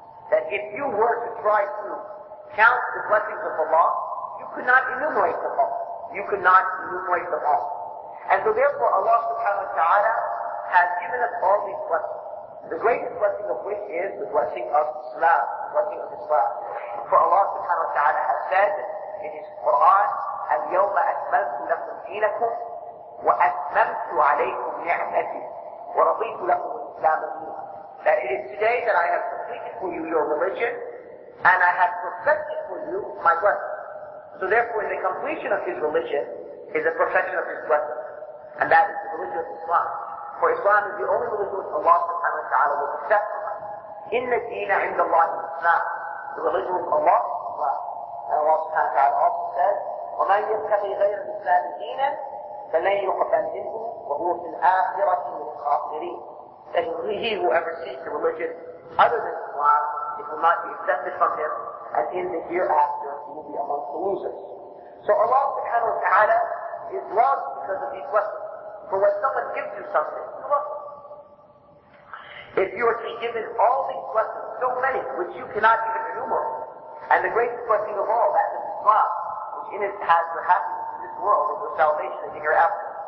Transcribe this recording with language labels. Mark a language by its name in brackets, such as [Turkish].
[English] That if you were to try to count the blessings of Allah, you could not enumerate them all. You could not enumerate them all. And so therefore Allah subhanahu wa ta'ala has given us all these blessings. The greatest blessing of which is the blessing of Islam, the blessing of Islam. For Allah subhanahu wa ta'ala has said in His Quran, [Arabic] الْيَوْمَ أَتْمَلْتُ لَكُمْ دِينَكُمْ وَأَتْمَلْتُ عَلَيْكُمْ نِعْمَتِي وَرَضِيتُ لَكُمْ الْإِسْلَامَ دِينَكُمْ. [English] That it is today that I have completed for you your religion, and I have perfected for you my blessing. So therefore, the completion of His religion is the perfection of His blessing. And that is the religion of Islam. For Islam is the only religion which Allah subhanahu wa ta'ala will accept. [Arabic] إِنَّ الدِّينَ عِنْدَ اللَّهِ الْإِسْلَامِ. [English] The religion of Allah is Islam. And Allah subhanahu wa ta'ala also says, [Arabic] وَمَنْ يَبْتَغِي غَيْرَ الْإِسْلَامِ دِينًا فَلَنْ يُقْبَلَ مِنْهُ وَهُوَ فِي الْآخِرَةِ مِنَ الْخَاسِرِينَ. [English] That he who ever seeks a religion other than Islam, it will not be accepted from him, and in the hereafter he will be amongst the losers. So Allah subhanahu wa ta'ala is loved because of these blessings. For when someone gives you something, you love them. If you are to be given all these blessings, so many, which you cannot even enumerate, and the greatest blessing of all, that is Islam, in it has your happiness in this world and your salvation in the hereafter.